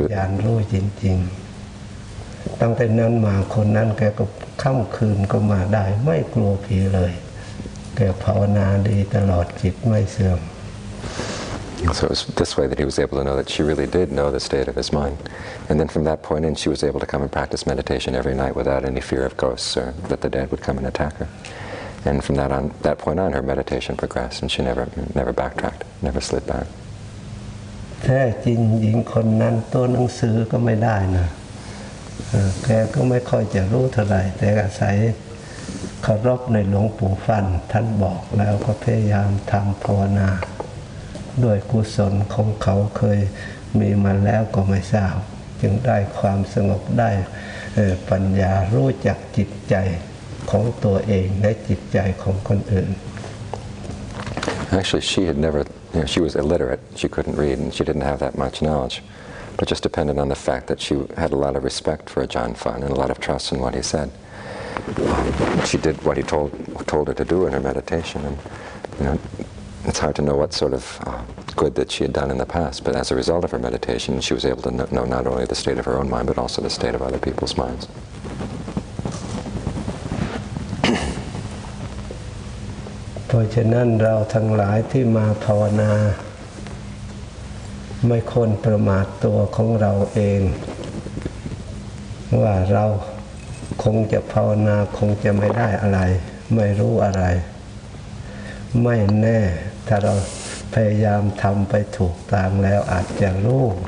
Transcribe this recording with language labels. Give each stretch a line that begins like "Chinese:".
Thai: ยานรู้จริงๆตั้งแต่นั้นมาคนนั้นแกก็ค่ำคืนก็มาได้ไม่กลัวผีเลยแกภาวนาดีตลอดจิตไม่เสื่อม
English: So it was this way that he was able to know that she really did know the state of his mind. And then from that point in, she was able to come and practice meditation every night without any fear of ghosts or that the dead would come and attack her. And from that point on, her meditation progressed, and she never backtracked, never slid back.
Thai: แท้จริงหญิงคนนั้นตัวหนังสือก็ไม่ได้นะแกก็ไม่ค่อยจะรู้เท่าไหร่แต่อาศัยเคารพในหลวงปู่ฟันท่านบอกแล้วก็พยายามทำภาวนาด้วยกุศลของเขาเคย มีมาแล้วก็ไม่ทราบจึงได้ความสงบได้ปัญญารู้จักจิตใจของตัวเองและจิตใจของคนอื่น
English: Actually she had never you know, she was illiterate she couldn't read and she didn't have that much knowledge but just depended on the fact that she had a lot of respect for Ajahn Fun and a lot of trust in what he said she did what he told her to do in her meditation and you know it's hard to know what sort of good that she had done in the past but as a result of her meditation she was able to know not only the state of her own mind but also the state of other people's minds
Thai: เพราะฉะนั้นเราทั้งหลายที่มาภาวนาไม่ควรประมาทตัวของเราเองว่าเราคงจะภาวนาคงจะไม่ได้อะไรไม่รู้อะไรไม่แน่ถ้าเราพยายามทำไปถูกทางแล้วอาจจะรู้